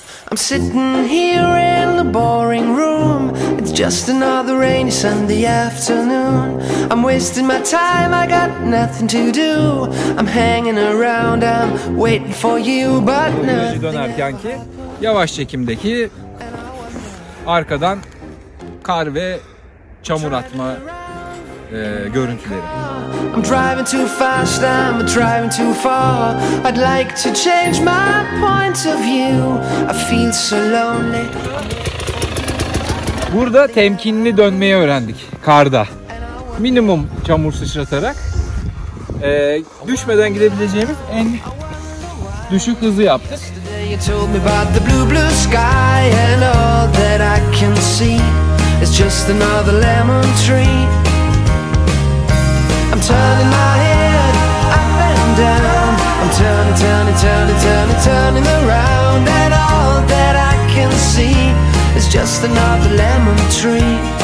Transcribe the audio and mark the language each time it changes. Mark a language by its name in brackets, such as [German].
[English] I'm sitting here in the boring room. It's just another rainy Sunday afternoon. I'm wasting my time, I got nothing to do. I'm hanging around, I'm waiting for you but nothing. [Turkish] Yavaş çekimdeki arkadan kar ve çamur atma görüntüleri. [English] I'm driving too fast, I'm driving too far. I'd like to change my point of view. I feel so lonely. [Turkish] Burada temkinli dönmeyi öğrendik karda. Minimum çamur sıçratarak düşmeden gidebileceğimiz en düşük hızı yaptık. [English] You told me about the blue blue sky and all that I can see is just another lemon tree. I'm turning my head up and down. I'm turning, turning, turning, turning, turning around and all that I can see is just another lemon tree.